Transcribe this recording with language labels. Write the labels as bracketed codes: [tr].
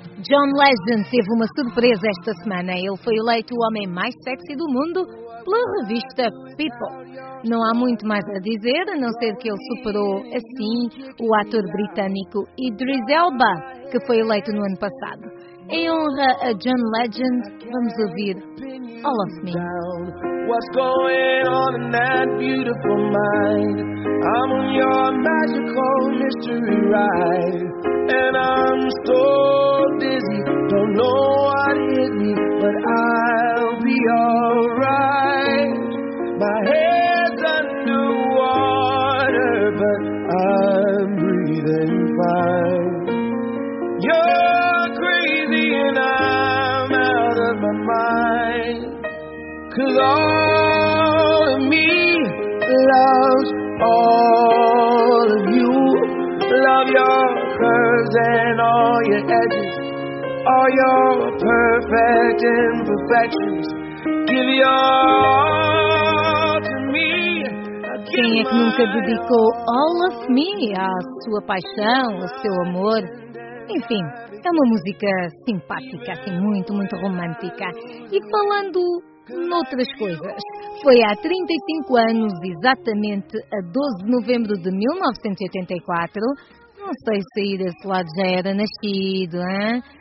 [pt] John Legend teve uma surpresa esta semana. Ele foi eleito o homem mais sexy do mundo pela revista People. Não há muito mais a dizer, a não ser que ele superou assim o ator britânico Idris Elba, que foi eleito no ano passado. Em honra a John Legend, vamos ouvir All of Me. [en] What's going on in that beautiful mind? I'm on your magical mystery ride. And I'm so dizzy, don't know what hit me, but I'll be alright. My head's underwater, but I'm breathing fine. You're crazy and I'm out of my mind. Cause all of me loves all of you. Love your curves and all your edges, all your perfect imperfections. Give your all to me. [pt] Quem é que nunca dedicou All of Me à sua paixão, ao seu amor? Enfim, é uma música simpática, assim, muito, muito romântica. E falando noutras coisas, foi há 35 anos, exatamente a 12 de novembro de 1984, não sei se aí desse lado já era nascido, hein?